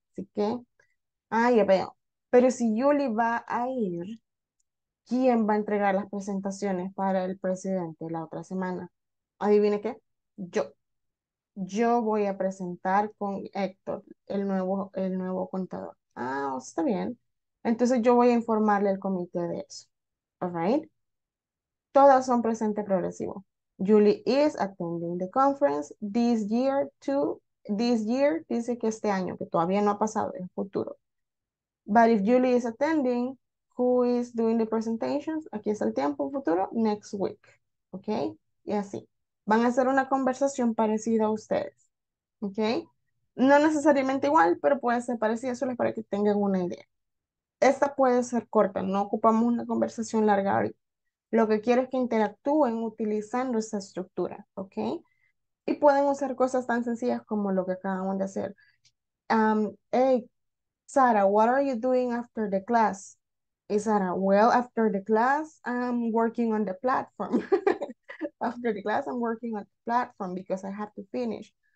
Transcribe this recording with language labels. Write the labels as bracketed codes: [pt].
[es] Así que, ya veo. Pero si Julie va a ir, ¿quién va a entregar las presentaciones para el presidente la otra semana? ¿Adivine qué? Yo. Yo voy a presentar con Héctor, el nuevo contador. Ah, está bien. Entonces yo voy a informarle al comité de eso. [en] All right. [es] Todas son presente progresivo. [en] Julie is attending the conference this year too. This year [es] dice que este año, que todavía no ha pasado, es futuro. [en] But if Julie is attending, who is doing the presentations? [es] Aquí está el tiempo futuro, [en] next week. [es] Ok, y así. Van a hacer una conversación parecida a ustedes. Ok. No necesariamente igual, pero puede ser parecida, solo para que tengan una idea. Esta puede ser corta, no ocupamos una conversación larga. Lo que quiero es que interactúen utilizando esa estructura, ¿ok? Y pueden usar cosas tan sencillas como lo que acabamos de hacer. [en] Hey, Sara, what are you doing after the class? Y Sara, well, after the class, I'm working on the platform. After the class, I'm working on the platform because I have to finish.